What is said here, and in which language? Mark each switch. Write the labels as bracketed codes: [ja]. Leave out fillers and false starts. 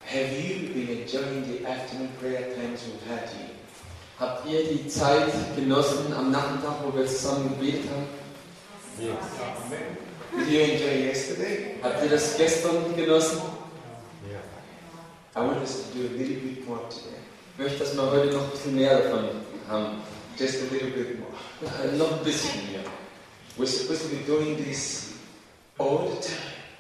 [en] enjoying the afternoon prayer times we've had here? [de] Habt ihr die Zeit genossen am Nachmittag, wo wir zusammen gebetet haben? [en] Yes. Did you enjoy yesterday? [de] Habt ihr das gestern genossen? [en] I want us to do a little bit more today. [de] Ich möchte, dass wir heute noch ein bisschen mehr davon haben. [en] Just a little bit more. [de] Noch ein bisschen mehr. [en] We're supposed to be doing this all the time.